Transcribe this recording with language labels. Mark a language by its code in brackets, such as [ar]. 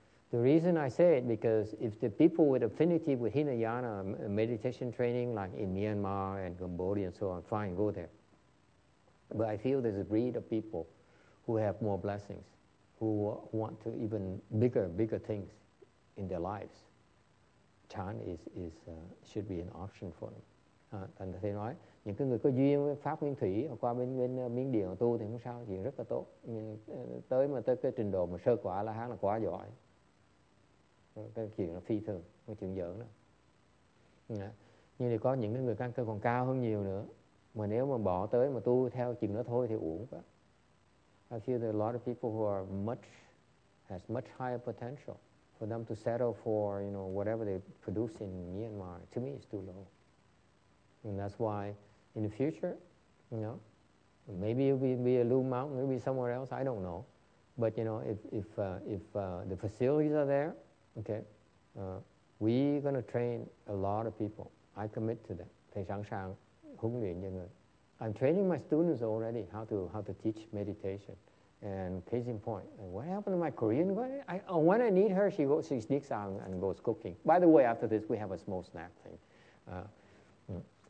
[en] The reason I say it because if the people with affinity with Hinayana meditation training, like in Myanmar and Cambodia and so on, fine, go there. But I feel there's a breed of people who have more blessings, who want to even bigger things in their lives. Chan should be an option for them. [vi] Thành thầy nói những cái người có duyên với pháp nguyên thủy qua bên Miến Điện tu thì không sao, chuyện rất là tốt. Nhưng tới mà tới cái trình độ mà sơ quả là há là quá giỏi. Cái chuyện là phi thường, không chuyện giỡn đó. Nhưng thì có những cái người căn cơ còn cao hơn nhiều nữa. Mà nếu mà bỏ tới mà tu theo chuyện đó thôi thì uổng quá. [en] I feel there are a lot of people who are has much higher potential. For them to settle for, you know, whatever they produce in Myanmar, to me it's too low. And that's why in the future, you know, maybe it'll be a Lu Mountain, it'll be somewhere else, I don't know. But you know, if the facilities are there, okay, we're gonna train a lot of people. I commit to that. [vi] Thầy sẵn sàng huấn luyện cho người. [en] I'm training my students already how to teach meditation. And case in point, what happened to my Korean? When I need her, she sneaks out and goes cooking. By the way, after this, we have a small snack thing.